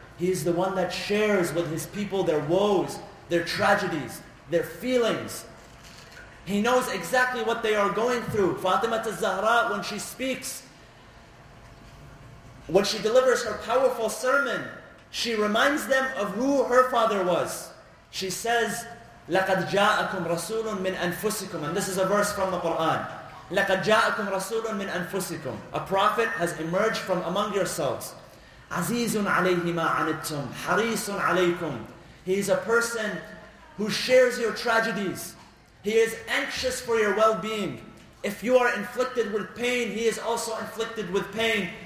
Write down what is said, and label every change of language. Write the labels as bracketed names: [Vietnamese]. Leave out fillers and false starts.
[English] He is the one that shares with his people their woes, their tragedies, their feelings. He knows exactly what they are going through. Fatima al-Zahra, when she speaks, when she delivers her powerful sermon, she reminds them of who her father was. She says, [Arabic] لَقَدْ جَاءَكُمْ رَسُولٌ مِّنْ أَنفُسِكُمْ. [English] And this is a verse from the Qur'an. [Arabic] لَقَدْ جَاءَكُمْ رَسُولٌ مِّنْ أَنفُسِكُمْ. [English] A prophet has emerged from among yourselves. [Arabic] عَزِيزٌ عَلَيْهِ مَا عَنِدْتُمْ حَرِيصٌ عَلَيْكُمْ. [English] He is a person who shares your tragedies. He is anxious for your well-being. If you are inflicted with pain, he is also inflicted with pain.